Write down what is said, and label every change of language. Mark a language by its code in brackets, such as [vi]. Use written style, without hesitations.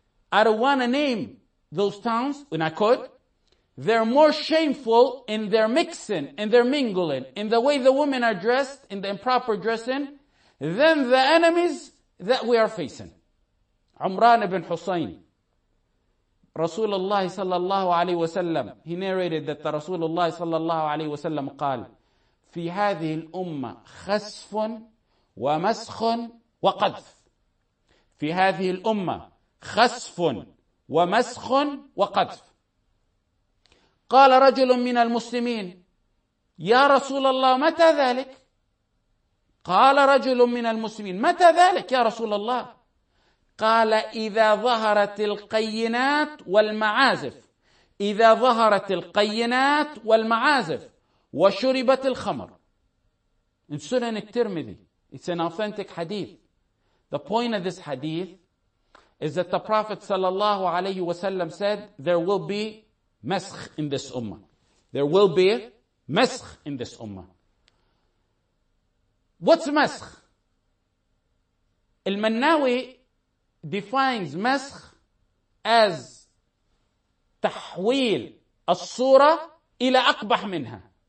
[en] I don't want to name those towns, when I could. They're more shameful in their mixing, in their mingling, in the way the women are dressed, in the improper dressing, than the enemies that we are facing. Umran ibn Husayn, Rasulullah sallallahu alayhi wa sallam, he narrated that the Rasulullah sallallahu alayhi wa sallam qal, [ar] في هذه الأمة خسف ومسخ وقذف. في هذه الأمة خسف ومسخ وقذف. قال رجل من المسلمين يا رسول الله متى ذلك؟ قال رجل من المسلمين متى ذلك يا رسول الله؟ قال إذا ظهرت القينات والمعازف إذا ظهرت القينات والمعازف وشربت الخمر. السنن الترمذي [en] It's an authentic hadith. The point of this hadith is that the Prophet sallallahu alayhi wasallam said, there will be maskh in this ummah. There will be maskh in this ummah. What's maskh? Al-Mannawi defines maskh as [ar] tahwil as-surah ila aqbah minha.